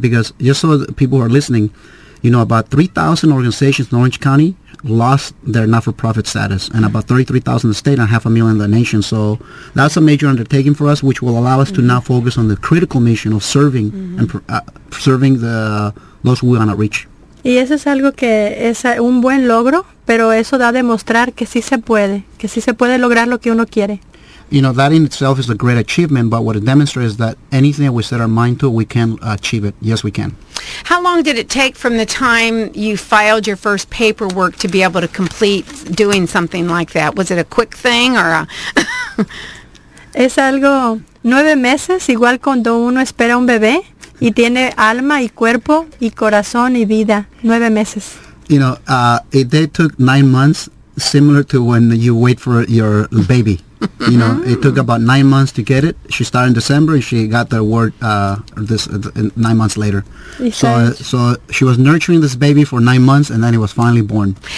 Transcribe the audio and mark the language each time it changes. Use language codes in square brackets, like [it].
[en] Because just so that people who are listening, you know, about 3,000 organizations in Orange County lost their not-for-profit status, and about 33,000 in the state and 500,000 in the nation. So that's a major undertaking for us, which will allow us mm-hmm. to now focus on the critical mission of serving mm-hmm. and serving the those who we want to reach. [es] Y eso es algo que es un buen logro, pero eso da a demostrar que sí se puede lograr lo que uno quiere. [en] You know, that in itself is a great achievement, but what it demonstrates is that anything that we set our mind to, we can achieve it. Yes, we can. How long did it take from the time you filed your first paperwork to be able to complete doing something like that? Was it a quick thing or a... [es] Es algo 9 meses, igual cuando uno espera un bebé, y tiene alma y cuerpo y corazón y vida. 9 meses. [en] You know, it took 9 months, similar to when you wait for your baby. You know, it took about 9 months to get it. She started in December, and she got the award 9 months later. So she was nurturing this baby for 9 months, and then it was finally born.